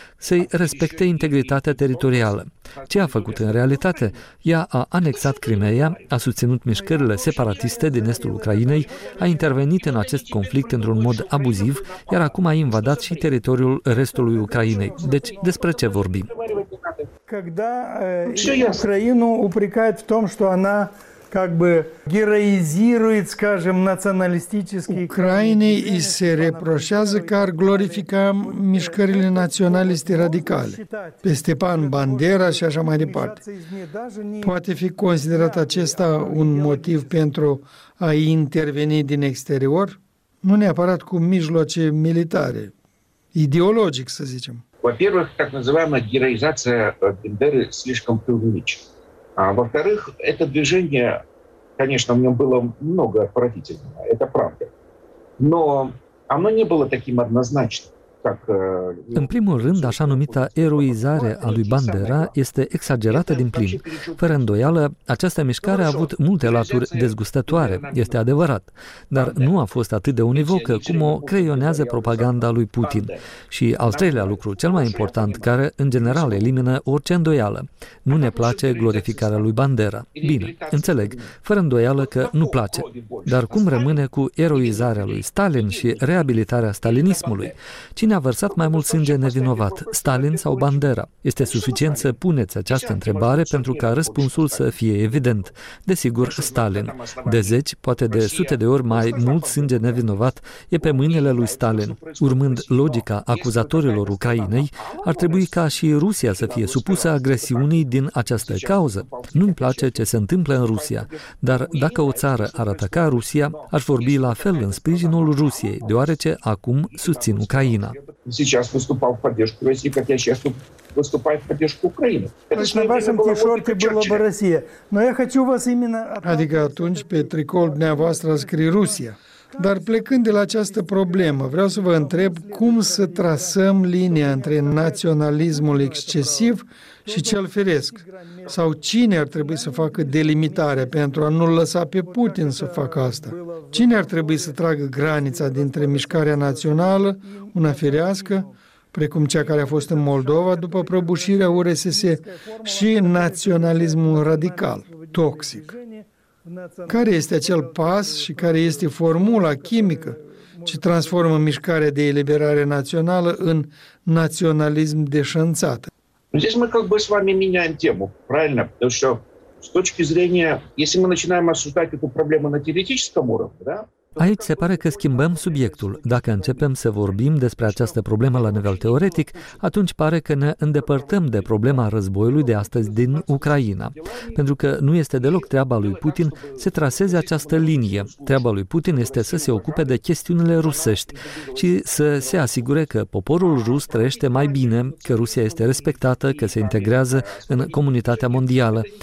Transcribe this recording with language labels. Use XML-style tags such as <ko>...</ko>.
<ro>să-i respecte integritatea teritorială. Ce a făcut în realitate? Ea a anexat Crimeea, a susținut mișcările separatiste din estul Ucrainei, a intervenit în acest conflict într-un mod abuziv, iar acum a invadat și teritoriul restului Ucrainei. Deci, despre ce vorbim? Când Ucraina</ro> <ru>упрекает в том, что она как бы героизирует, скажем, националистические</ru> <ro>Украине и се репрошează că ar glorifica mișcările naționaliste radicale, pe Stepan Bandera și așa mai departe. Poate fi considerat acesta un motiv pentru a interveni din exterior, nu neapărat cu mijloace militare, ideologic, să zicem.</ro> <ru>Во-первых, так называемая героизация Бендеры слишком преувеличена. А во-вторых, это движение, конечно, в нем было много отвратительного, это правда. Но оно не было таким однозначным.</ru> <ro>În primul rând, așa numita eroizare a lui Bandera este exagerată din plin. Fără îndoială, această mișcare a avut multe laturi dezgustătoare, este adevărat, dar nu a fost atât de univocă cum o creionează propaganda lui Putin. Și al treilea lucru, cel mai important, care în general elimină orice îndoială, nu ne place glorificarea lui Bandera. Bine, înțeleg, fără îndoială că nu place. Dar cum rămâne cu eroizarea lui Stalin și reabilitarea stalinismului? Cine a vărsat mai mult sânge nevinovat, Stalin sau Bandera? Este suficient să puneți această întrebare pentru ca răspunsul să fie evident. Desigur, Stalin. De zeci, poate de sute de ori mai mult sânge nevinovat e pe mâinile lui Stalin. Urmând logica acuzatorilor Ucrainei, ar trebui ca și Rusia să fie supusă agresiunii din această cauză. Nu-mi place ce se întâmplă în Rusia, dar dacă o țară ar ataca Rusia, aș vorbi la fel în sprijinul Rusiei, deoarece acum susțin Ucraina.</ro> <ru>Сейчас выступал в поддержку России, как я сейчас выступаю в поддержку Украины. На вашем тишорте была бы Россия. Но я хочу вас именно...</ru> <ro>Adică atunci pe tricol dumneavoastră scrie Rusia. Dar plecând de la această problemă, vreau să vă întreb cum să trasăm linia între naționalismul excesiv și cel firesc? Sau cine ar trebui să facă delimitarea pentru a nu-l lăsa pe Putin să facă asta? Cine ar trebui să tragă granița dintre mișcarea națională, una firească, precum cea care a fost în Moldova după prăbușirea URSS, și naționalismul radical, toxic? Care este acel pas și care este formula chimică ce transformă mișcarea de eliberare națională în naționalism deșanțat?</ro> <ru>Здесь мы как бы с вами меняем тему, правильно? Потому что с точки зрения, если мы начинаем обсуждать эту проблему на теоретическом уровне, да?</ru> <ro>Aici se pare că schimbăm subiectul. Dacă începem să vorbim despre această problemă la nivel teoretic, atunci pare că ne îndepărtăm de problema războiului de astăzi din Ucraina. Pentru că nu este deloc treaba lui Putin să traseze această linie. Treaba lui Putin este să se ocupe de chestiunile rusești și să se asigure că poporul rus trăiește mai bine, că Rusia este respectată, că se integrează în comunitatea mondială.</ro>